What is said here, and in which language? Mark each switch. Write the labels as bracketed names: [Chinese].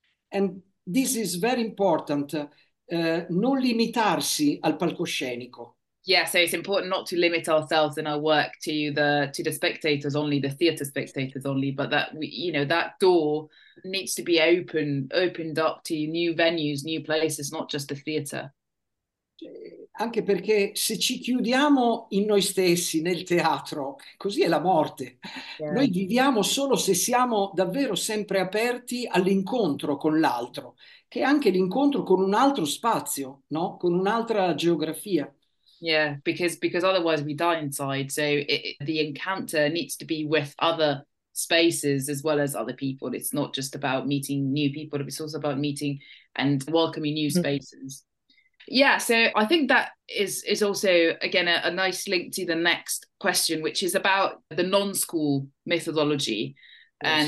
[English] And this is very important, [Italian] non limitarsi al palcoscenico. [English] Yeah, so it's important not to limit ourselves and our work to the spectators only, the theatre spectators only, but that that door needs to be opened up to new venues, new places, not just the theatre. [Italian] Anche perché se ci chiudiamo in noi stessi, nel teatro, così è la morte. Yeah. Noi viviamo solo se siamo davvero sempre aperti all'incontro con l'altro, che è anche l'incontro con un altro spazio, no? Con un'altra geografia. [English] Yeah, because otherwise we die inside. So the encounter needs to be with other spaces as well as other people. It's not just about meeting new people, it's also about meeting and welcoming new spaces. Mm-hmm. Yeah, so I think that is also, again, a nice link to the next question, which is about the non-school methodology. Yes.